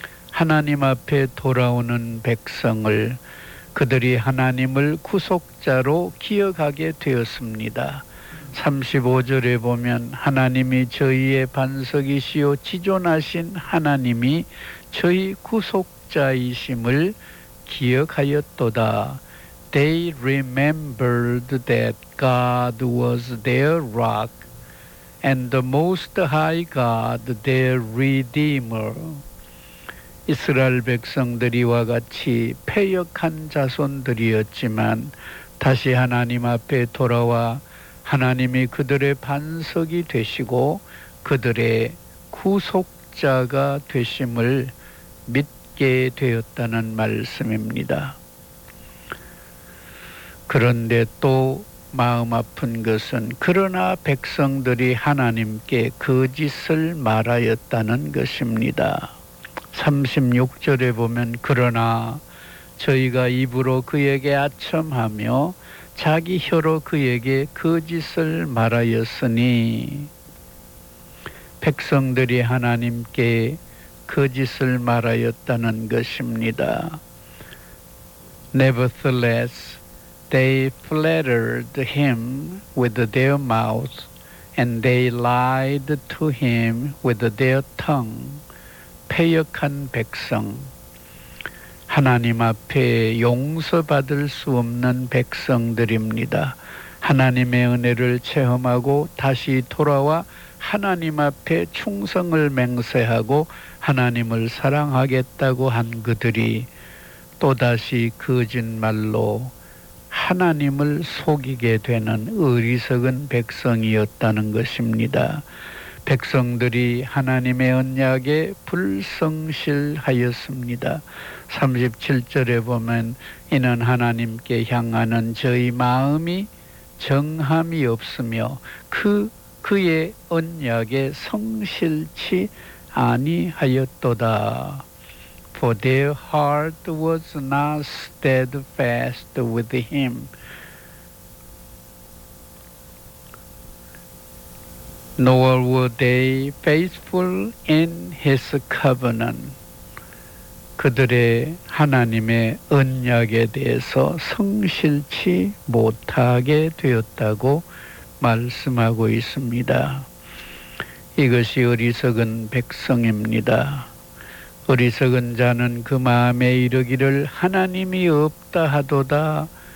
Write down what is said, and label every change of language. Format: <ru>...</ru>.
<ko>하나님 앞에 돌아오는 백성을 그들이 하나님을 구속자로 기억하게 되었습니다. 35절에 보면 하나님이 저희의 반석이시오 지존하신 하나님이 저희 구속자이심을 기억하였도다.</ko> <en>They remembered that God was their rock and the most high God their redeemer.</en> <ko>이스라엘 백성들이와 같이 패역한 자손들이었지만 다시 하나님 앞에 돌아와 하나님이 그들의 반석이 되시고 그들의 구속자가 되심을 믿게 되었다는 말씀입니다. 그런데 또 마음 아픈 것은 그러나 백성들이 하나님께 거짓을 말하였다는 것입니다. 36절에 보면 그러나 저희가 입으로 그에게 아첨하며 자기 혀로 그에게 거짓을 말하였으니 백성들이 하나님께 거짓을 말하였다는 것입니다.</ko> <en>Nevertheless, they flattered him with their mouth, and they lied to him with their tongue.</en> <ko>패역한 백성, 하나님 앞에 용서받을 수 없는 백성들입니다. 하나님의 은혜를 체험하고 다시 돌아와 하나님 앞에 충성을 맹세하고 하나님을 사랑하겠다고 한 그들이 또다시 거짓말로 하나님을 속이게 되는 어리석은 백성이었다는 것입니다. 백성들이 하나님의 언약에 불성실하였습니다. 37절에 보면 이는 하나님께 향하는 저희 마음이 정함이 없으며 그의 언약에 성실치 아니하였도다.</ko> <en>For their heart was not steadfast with him. 'Nor were they faithful in his covenant.'</en> <ko>그들의 하나님의 언약에 대해서 성실치 못하게 되었다고 말씀하고 있습니다. 이것이 어리석은 백성입니다. 어리석은 자는 그 마음에 이르기를 하나님이 없다 하도다.</ko>